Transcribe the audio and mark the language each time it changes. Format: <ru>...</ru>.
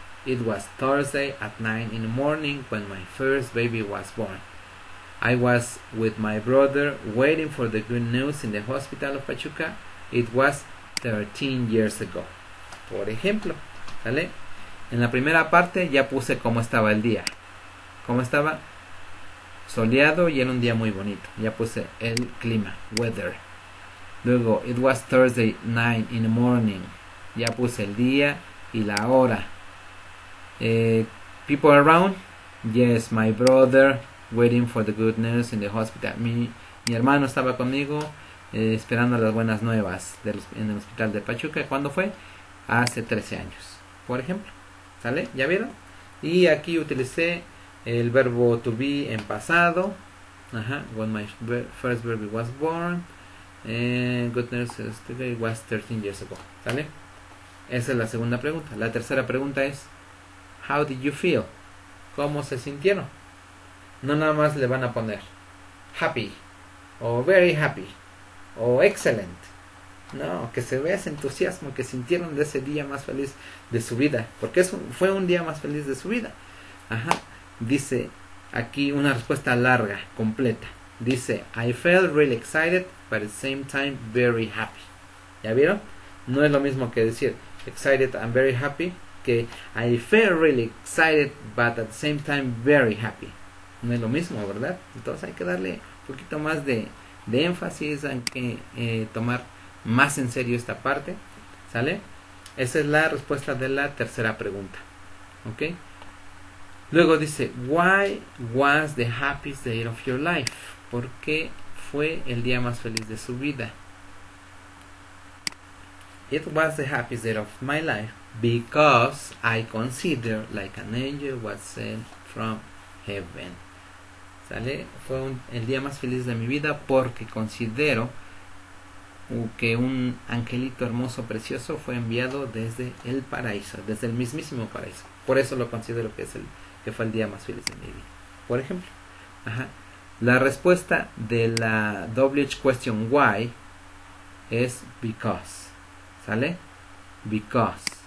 <en>It was Thursday at 9 in the morning when my first baby was born. I was with my brother waiting for the good news in the hospital of Pachuca. It was 13 years ago.</en> <es>Por ejemplo, ¿sale? En la primera parte ya puse cómo estaba el día. ¿Cómo estaba? Soleado y era un día muy bonito. Ya puse el clima,</es> <en>weather. Luego, it was Thursday 9 in the morning.</en> <es>Ya puse el día y la hora.</es> <en>People around? Yes, my brother waiting for the good news in the hospital.</en> <es>Mi hermano estaba conmigo esperando las buenas nuevas en el hospital de Pachuca. ¿Cuándo fue? Hace 13 años, por ejemplo. ¿Sale? ¿Ya vieron? Y aquí utilicé el verbo to be en pasado.</es> <en>Ajá. When my first baby was born. Goodness, today was 13 years ago.</en> <es>¿Sale? Esa es la segunda pregunta. La tercera pregunta es,</es> <en>how did you feel?</en> <es>¿Cómo se sintieron? No nada más le van a poner happy o</es> <en>very happy</en> <es>o excellent. No, que se vea ese entusiasmo que sintieron de ese día más feliz de su vida. Porque fue un día más feliz de su vida. Ajá. Dice aquí una respuesta larga, completa.</es> <en>Dice, I felt really excited, but at the same time, very happy.</en> <es>¿Ya vieron? No es lo mismo que decir,</es> <en>excited and very happy, que I felt really excited, but at the same time, very happy.</en> <es>No es lo mismo, ¿verdad? Entonces hay que darle un poquito más de énfasis, hay que tomar más en serio esta parte, ¿sale? Esa es la respuesta de la tercera pregunta, ¿ok? Luego dice,</es> <en>why was the happiest day of your life?</en> <es>¿Por qué fue el día más feliz de su vida?</es> <en>It was the happiest day of my life because I consider like an angel was sent from heaven.</en> <es>¿Sale? Fue el día más feliz de mi vida porque considero que un angelito hermoso, precioso fue enviado desde el paraíso, desde el mismísimo paraíso. Por eso lo considero que fue el día más feliz de mi vida. Por ejemplo, ajá. La respuesta de la WH question why es because, ¿sale? Because.</es>